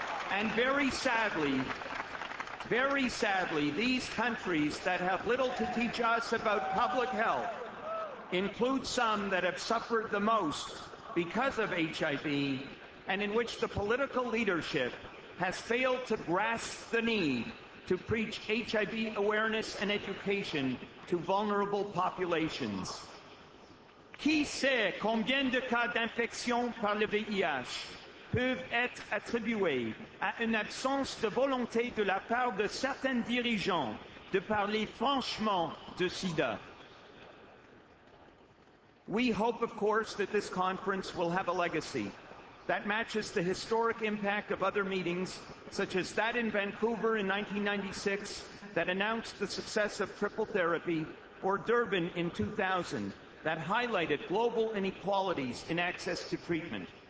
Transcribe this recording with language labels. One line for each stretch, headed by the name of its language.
English: And very sadly, these countries that have little to teach us about public health include some that have suffered the most because of HIV, and in which the political leadership has failed to grasp the need to preach HIV awareness and education to vulnerable populations.
French: Qui sait combien de cas d'infection par le VIH peuvent être attribués à une absence de volonté de la part de certains dirigeants de parler franchement de SIDA?
English: We hope, of course, that this conference will have a legacy that matches the historic impact of other meetings, such as that in Vancouver in 1996 that announced the success of triple therapy, or Durban in 2000 that highlighted global inequalities in access to treatment.